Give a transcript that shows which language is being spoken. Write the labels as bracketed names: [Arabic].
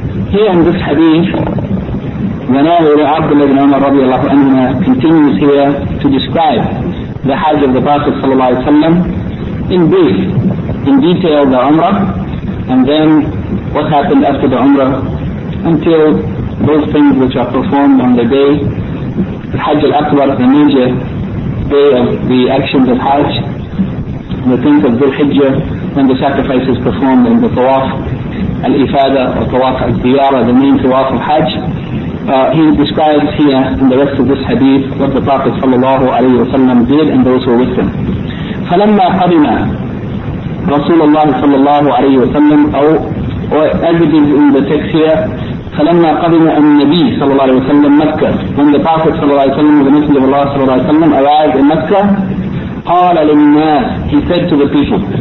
[English] Here in this hadith, the narrator Abdullah ibn Umar [Arabic] رضي الله عنه [English] continues here to describe the Hajj of the Prophet [Arabic] صلى الله عليه وسلم [English] in brief, in detail the Umrah, and then what happened after the Umrah until those things which are performed on the day, the Hajj al-Akbar, the major day of the actions of Hajj, the things of Dhul-Hijjah, when the sacrifice is performed in the Tawaf al-Ifada or Tawaf al-Ziyara, the main Tawaf of Hajj. He describes here in the rest of this hadith what the Prophet sallallahu alayhi wa sallam did and those who were with him. [Arabic] فَلَمَّا قَدِمَا رَسُولَ اللَّهِ صَلَّى اللَّهُ عَلَيْهِ وَسَلَّمْ [English] or as it is in the text here, [Arabic] فَلَمَّا قَدِمَا النَّبِي صَلَّى اللَّهِ عَلَيْهِ وَسَلَّمْ مَكَّةً. [English] When the Prophet [Arabic] صلى الله عليه وسلم, [English] the Messenger of Allah صلى الله عليه وسلم arrived in Mecca, [Arabic] قَالَ لِلنَّاسِ, [English] he said to the people.